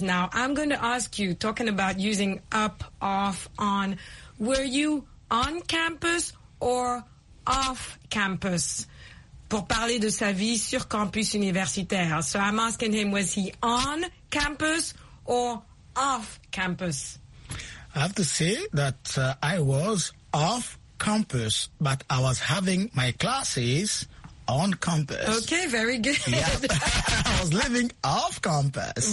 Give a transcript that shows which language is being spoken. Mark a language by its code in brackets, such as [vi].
[en] Now, I'm going to ask you, talking about using up, off, on, were you on campus or off campus? [fr] Pour parler de sa vie sur campus universitaire. [en] So I'm asking him, was he on campus or off campus? I have to say that I was off campus, but I was having my classes on campus. Okay, very good. Yep. I was living off campus.